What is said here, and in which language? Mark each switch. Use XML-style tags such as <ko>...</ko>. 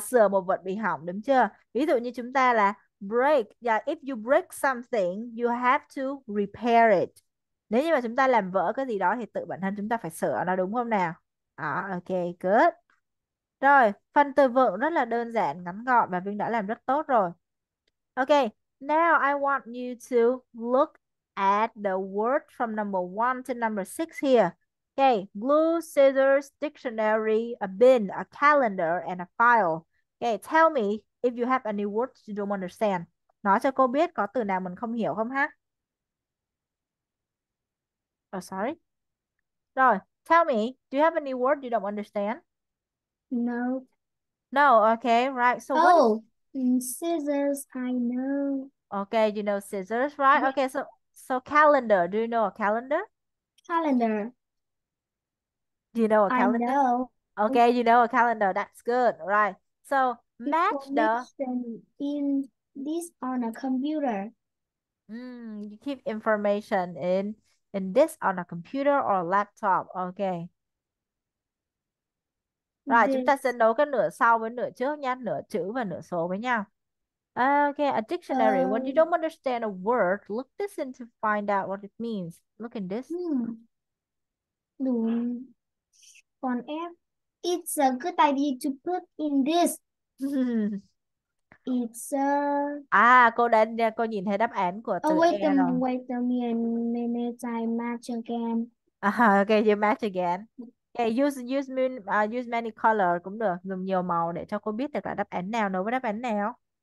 <vi>Sửa một vật bị hỏng, đúng chưa? Ví dụ như chúng ta là break,</vi> <en>if you break something, you have to repair it.</en> <vi>Nếu như mà chúng ta làm vỡ cái gì đó thì tự bản thân chúng ta phải sửa nó, đúng không nào? Ok, good. Rồi, phần từ vựng rất là đơn giản, ngắn gọn và Vinh đã làm rất tốt rồi.</vi> <en>Ok, now I want you to look at the word from number 1 to number 6 here. Okay, glue, scissors, dictionary, a bin, a calendar, and a file. Okay, tell me if you have any words you don't understand.</en> <vi>Nói cho cô biết có từ nào mình không hiểu không ha?</vi> <en>Oh, sorry. Rồi, tell me, do you have any word you don't understand? No. No, okay, right. So what is... Oh, scissors, I know. Okay, you know scissors, right? Yeah. Okay, so calendar, do you know a calendar? Calendar. Do you know a I calendar? know. Okay, you know a calendar. That's good, right? So match the. Information in this on a computer. You keep information in this on a computer or a laptop. Okay.</en> <vi>Right, chúng ta sẽ</vi> <en>This.</en> <vi>đấu cái nửa sau với nửa trước nha, nửa chữ và nửa số với nhau.</vi> <en>Okay, a dictionary. When you don't understand a word, look this in to find out what it means. Look in this.</en> <vi>Đúng.</vi> <en>Còn it's a good idea to put in this. It's</en> <vi>Cô đã cô nhìn thấy đáp án của từ</vi> <en>wait a</en> <vi>E rồi.</vi> <en>minute, I match Ok, you match again.</en> <vi>Ok,</vi> <en>use many color</en> <vi>cũng được, dùng nhiều màu để cho cô biết được là đáp án nào nối với đáp án nào.</vi>